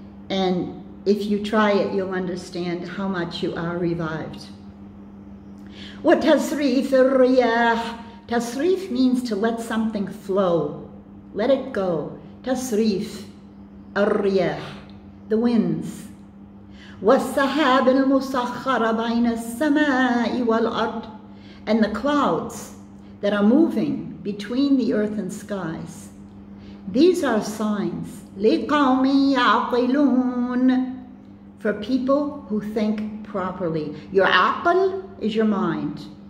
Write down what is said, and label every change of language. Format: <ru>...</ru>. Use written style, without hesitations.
<en>And if you try it, you'll understand how much you are revived.</en> <ar>وَتَصْرِيف الرِّيَاح.</ar> <en>Tasrif means to let something flow. Let it go.</en> <ar>Tasrif الرِّيَاح.</ar> <en>The winds.</en> <ar>والسحاب المسخرة بين السماء والأرض.</ar> <en>And the clouds that are moving between the earth and skies. These are signs.</en> <ar>لقوم يعقلون.</ar> <en>For people who think properly. Your aql is your mind.</en>